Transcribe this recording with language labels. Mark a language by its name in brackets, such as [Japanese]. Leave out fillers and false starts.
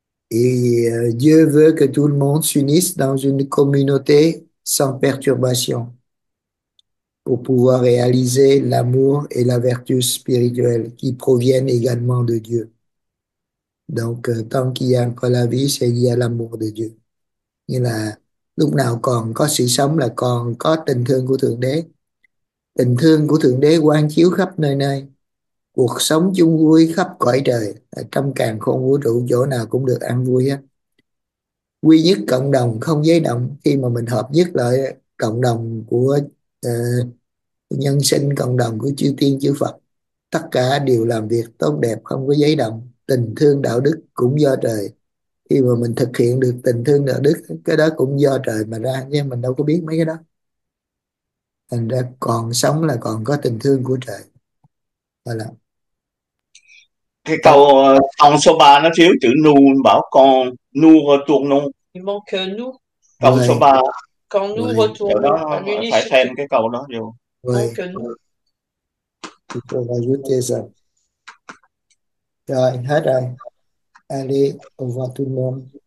[French] Et Dieu veut que tout le monde s'unisse dans une communauté sans perturbation pour pouvoir réaliser l'amour et la vertu spirituelle qui proviennent également de Dieu. Donc, tant qu'il y a encore la vie, c'est lié à l'amour de Dieu. [Vietnamese] Nghĩa là lúc nào còn có sự sống là còn có tình thương của Thượng Đế. Tình thương của Thượng Đế quang chiếu khắp nơi nơi. Cuộc sống chung vui khắp cõi trời, ở trong càn khôn vũ trụ chỗ nào cũng được an vui hết. Quy nhất cộng đồng không giấy động, khi mà mình hợp nhất lại cộng đồng của nhân sinh, cộng đồng của chư tiên chư Phật, tất cả đều làm việc tốt đẹp không có giấy động. Tình thương đạo đức cũng do trời, khi mà mình thực hiện được tình thương đạo đức, cái đó cũng do trời mà ra nhé, mình đâu có biết mấy cái đó. Thành ra còn sống là còn có tình thương của trời. [French] Voilà. [Vietnamese] Cái câu trong số 3 nó thiếu chữ nu, bảo con nu retournons. [French] Il manque nous. [Vietnamese] Trong số [French] Oui. 3. Quand nous Oui. retournons à [Vietnamese] Đó, phải [French] l'unicité. [Vietnamese] thêm cái câu đó vô. [French] Oui. Manque nous. [Vietnamese] Tôi phải [French] ajouter ça. [Vietnamese] Rồi, hết rồi. [French] Allez, au revoir tout le monde.